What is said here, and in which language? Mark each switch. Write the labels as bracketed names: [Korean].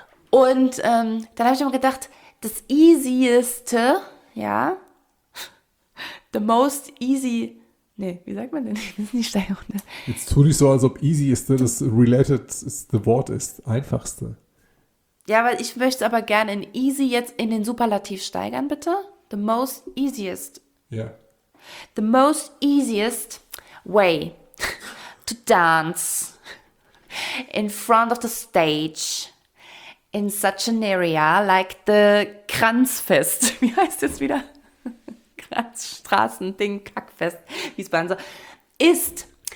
[German] Und dann habe ich immer gedacht, das easieste, ja, [English] the most easy, [German] nee, wie sagt man denn, das ist nicht steil. Ne? Jetzt tu nicht so, als ob easieste das related ist, the Wort ist, einfachste. Ja, weil ich möchte aber gerne in easy jetzt in den Superlativ steigern, bitte. [English] The most easiest. [German] Ja. [English] The most easiest way to dance in front of the stage. In such an area like the Kranzfest. [German] Wie heißt das wieder? Kranzstraßen-Ding-Kackfest. Wie es bei uns so ist.